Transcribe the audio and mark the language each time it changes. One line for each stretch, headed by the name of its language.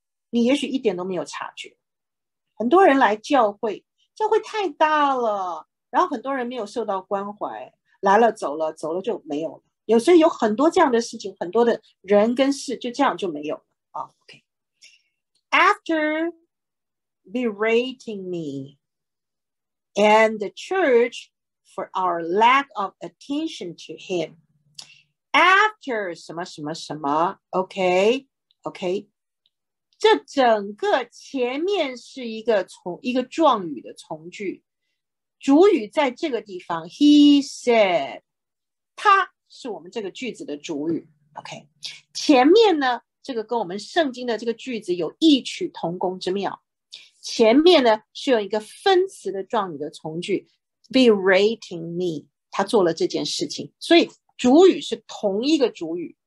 Chinese: 你也许一点都没有察觉。很多人来教会，教会太大了，然后很多人没有受到关怀，来了走了，走了就没有了。有时候有很多这样的事情，很多的人跟事就这样就没有了。
English: Oh, okay. After berating me and the church for our lack of attention to him. After
Chinese: 什么什么什么
English: okay, okay.
Chinese: 这整个前面是一个状语的从句。主语在这个地方
English: he said，
Chinese: 他是我们这个句子的主语。 OK， 前面呢这个跟我们圣经的这个句子有异曲同工之妙，前面呢是用一个分词的状语的从句
English: berating me，
Chinese: 他做了这件事情，所以主语是同一个主语。